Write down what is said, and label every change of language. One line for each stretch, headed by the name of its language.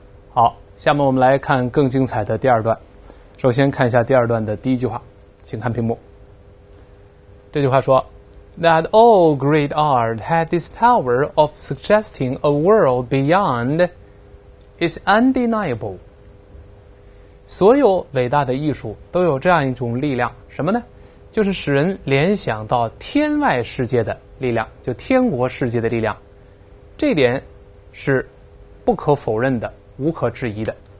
Chinese: 好，下面我们来看更精彩的第二段。首先看一下第二段的第一句话，请看屏幕。这句话说
English: ,That all great art had this power of suggesting a world beyond is undeniable.
Chinese: 所有伟大的艺术都有这样一种力量，什么呢？就是使人联想到天外世界的力量，就天国世界的力量。这点是不可否认的，无可置疑的。